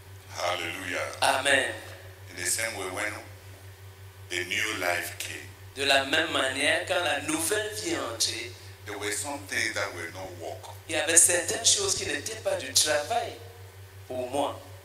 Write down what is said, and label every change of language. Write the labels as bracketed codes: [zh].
[en] Hallelujah. Amen. In the same way when the new life came. [fr] De la même manière quand la nouvelle vie entrée. [en] There were some things that were not work. [fr] Il y avait certaines choses qui n'étaient pas du travail pour moi.